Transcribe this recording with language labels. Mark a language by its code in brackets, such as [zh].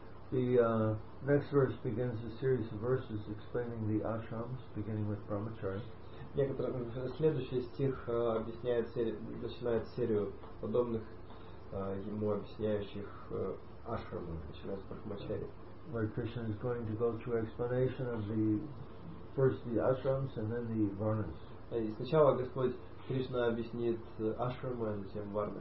[en] The next verse begins a series of verses explaining the ashrams, beginning with brahmachari. [ru] Следующий стих начинает серию подобных ему объясняющих ашрам, начиная с брахмачари. [en] Where Krishna is going to go through explanation of the first the ashrams and then the varnas. [ru] И сначала Господь Кришна объяснит ашрамы, а затем варны.